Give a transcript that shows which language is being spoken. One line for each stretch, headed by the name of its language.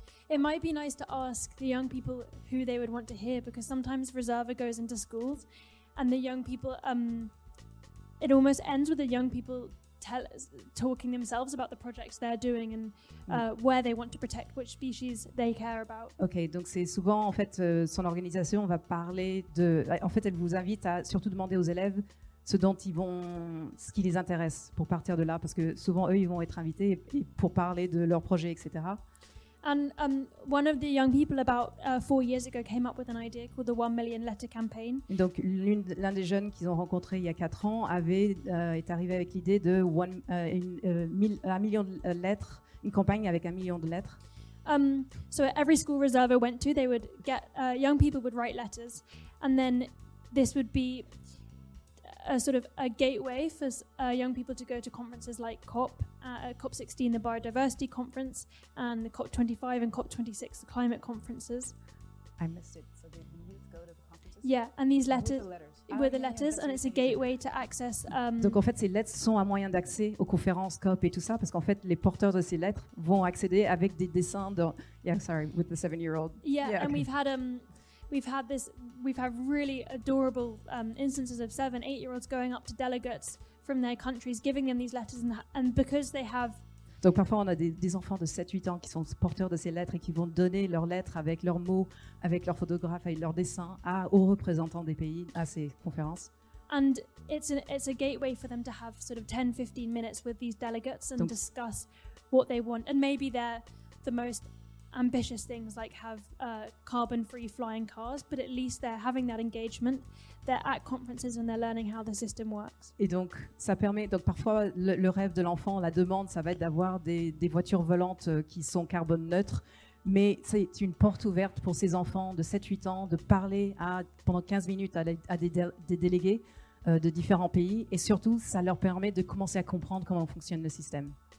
English: It might be nice to ask the young people who they would want to hear, because sometimes Reserva goes into schools, and the young people. It almost ends with the young people talking themselves about the projects they're doing and where they want to protect, which species they care about.
French: Ok, donc c'est souvent en fait son organisation va parler de. En fait, elle vous invite à surtout demander aux élèves ce dont ils vont, ce qui les intéresse pour partir de là, parce que souvent eux ils vont être invités pour parler de leurs projets, etc.
English: And one of the young people about 4 years ago came up with an idea called the 1 million letter campaign.
French: Donc l'un des jeunes qu'ils ont rencontré il y a 4 ans est arrivé avec l'idée de un million de lettres, une campagne avec un million de lettres.
English: So at every school Reserva went to, they would get young people would write letters, and then this would be a sort of a gateway for young people to go to conferences like COP, COP 16, the biodiversity conference, and the COP 25 and COP 26, the climate conferences. I missed it. So the youth go to the conferences. Yeah, and these letters were the letters, and it's a gateway to access.
French: Donc en fait, ces lettres sont un moyen d'accès aux conférences COP et tout ça, parce qu'en fait, les porteurs de ces lettres vont accéder avec des dessins.
English: With the 7-year-old. Yeah, and we've had We've had really adorable instances of 7-8-year-olds going up to delegates from their countries, giving them these letters, and because they have.
French: Donc parfois on a des enfants de 7-8 ans qui sont porteurs de ces lettres et qui vont donner leurs lettres avec leurs mots, avec leurs photographes et leurs dessins aux représentants des pays à ces conférences.
English: And it's a gateway for them to have sort of 10-15 minutes with these delegates and discuss what they want, and maybe they're the most ambitious things like have carbon-free flying cars, but at least they're having that engagement. They're at conferences and they're learning how the system works.
French: Et donc, ça permet. Donc, parfois, le rêve de l'enfant, la demande, ça va être d'avoir des voitures volantes qui sont carbone neutre. Mais c'est une porte ouverte pour ces enfants de 7-8 ans de parler pendant 15 minutes à des délégués de différents pays. Et surtout, ça leur permet de commencer à comprendre comment fonctionne le système.